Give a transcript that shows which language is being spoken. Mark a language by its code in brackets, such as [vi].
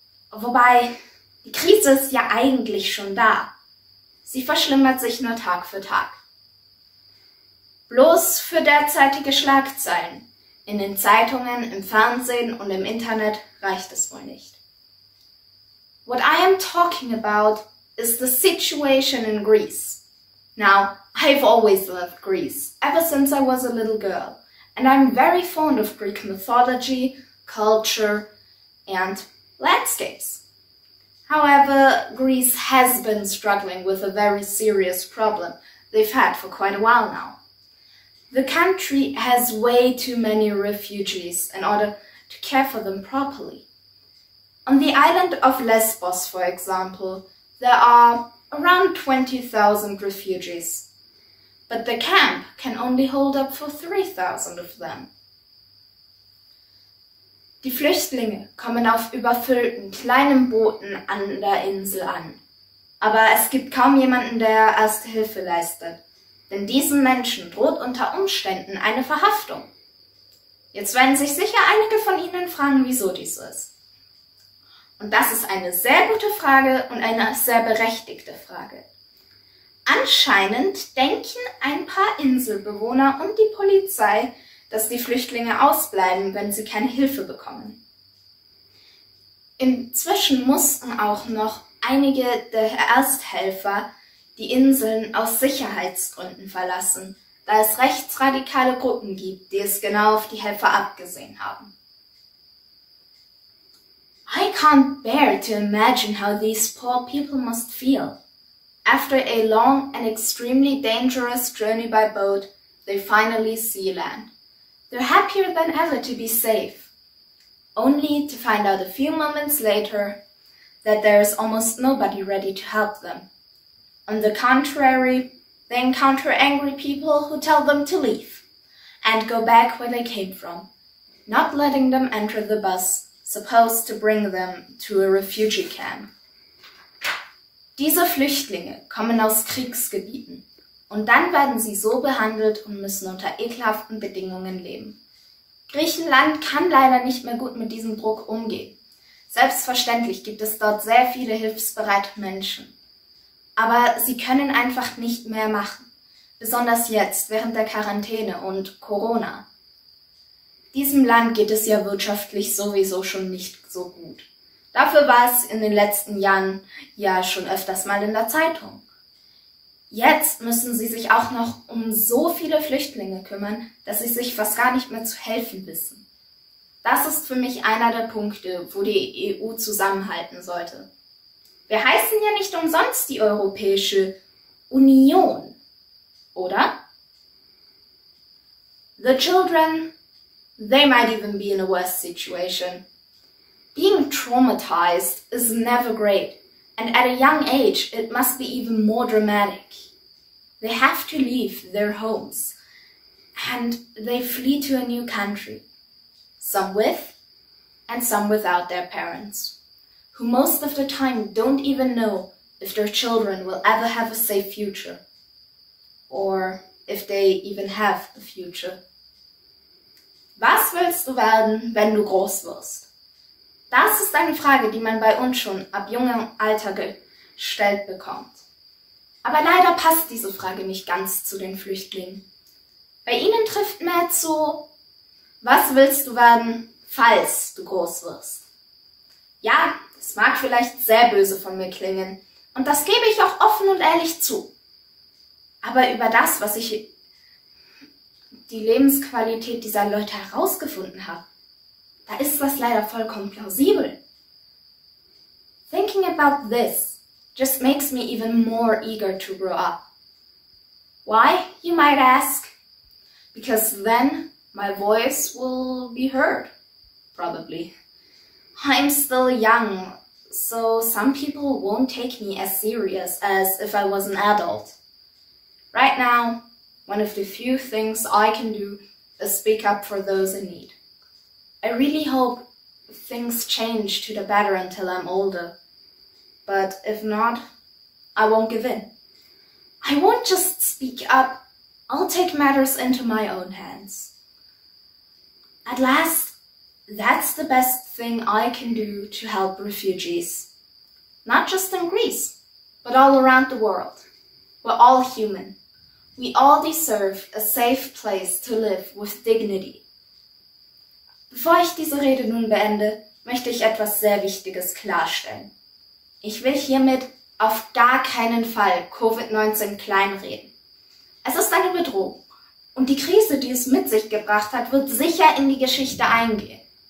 [de] Wobei, die Krise ist ja eigentlich schon da. Sie verschlimmert sich nur Tag für Tag. Bloß für derzeitige Schlagzeilen in den Zeitungen, im Fernsehen und im Internet reicht es wohl nicht. [en] What I am talking about is the situation in Greece. Now, I've always loved Greece, ever since I was a little girl, and I'm very fond of Greek mythology, culture, and landscapes. However, Greece has been struggling with a very serious problem they've had for quite a while now. The country has way too many refugees in order to care for them properly. On the island of Lesbos, for example, there are around 20,000 refugees, but the camp can only hold up for 3,000 of them. [de] Die Flüchtlinge kommen auf überfüllten kleinen Booten an der Insel an, aber es gibt kaum jemanden, der Erste Hilfe leistet. Denn diesen Menschen droht unter Umständen eine Verhaftung. Jetzt werden sich sicher einige von Ihnen fragen, wieso dies ist. Und das ist eine sehr gute Frage und eine sehr berechtigte Frage. Anscheinend denken ein paar Inselbewohner und die Polizei, dass die Flüchtlinge ausbleiben, wenn sie keine Hilfe bekommen. Inzwischen mussten auch noch einige der Ersthelfer die Inseln aus Sicherheitsgründen verlassen, da es rechtsradikale Gruppen gibt, die es genau auf die Helfer abgesehen haben. [en] I can't bear to imagine how these poor people must feel. After a long and extremely dangerous journey by boat, they finally see land. They're happier than ever to be safe, only to find out a few moments later that there is almost nobody ready to help them. On the contrary, they encounter angry people who tell them to leave and go back where they came from, not letting them enter the bus supposed to bring them to a refugee camp. [de] Diese Flüchtlinge kommen aus Kriegsgebieten und dann werden sie so behandelt und müssen unter ekelhaften Bedingungen leben. Griechenland kann leider nicht mehr gut mit diesem Druck umgehen. Selbstverständlich gibt es dort sehr viele hilfsbereite Menschen. Aber sie können einfach nicht mehr machen, besonders jetzt während der Quarantäne und Corona. Diesem Land geht es ja wirtschaftlich sowieso schon nicht so gut. Dafür war es in den letzten Jahren ja schon öfters mal in der Zeitung. Jetzt müssen sie sich auch noch um so viele Flüchtlinge kümmern, dass sie sich fast gar nicht mehr zu helfen wissen. Das ist für mich einer der Punkte, wo die EU zusammenhalten sollte. Wir heißen ja nicht umsonst die Europäische Union, oder? [en] The children, they might even be in a worse situation. Being traumatized is never great, and at a young age it must be even more dramatic. They have to leave their homes, and they flee to a new country, some with and some without their parents, who most of the time don't even know if their children will ever have a safe future or if they even have a future. [de] Was willst du werden, wenn du groß wirst? Das ist eine Frage, die man bei uns schon ab jungem Alter gestellt bekommt. Aber leider passt diese Frage nicht ganz zu den Flüchtlingen. Bei ihnen trifft mehr zu, was willst du werden, falls du groß wirst? Ja, es mag vielleicht sehr böse von mir klingen, und das gebe ich auch offen und ehrlich zu. Aber über das, was ich die Lebensqualität dieser Leute herausgefunden hat, da ist das leider vollkommen plausibel. [en] Thinking about this just makes me even more eager to grow up. Why, you might ask? Because then my voice will be heard, probably. I'm still young, so some people won't take me as serious as if I was an adult. Right now, one of the few things I can do is speak up for those in need. I really hope things change to the better until I'm older. But if not, I won't give in. I won't just speak up, I'll take matters into my own hands. At last, that's the best thing I can do to help refugees. Not just in Greece, but all around the world. We're all human. We all deserve a safe place to live with dignity. [de] Bevor ich diese Rede nun beende, möchte ich etwas sehr Wichtiges klarstellen. Ich will hiermit auf gar keinen Fall Covid-19 kleinreden. Es ist eine Bedrohung und die Krise, die es mit sich gebracht hat, wird sicher in die Geschichte eingehen.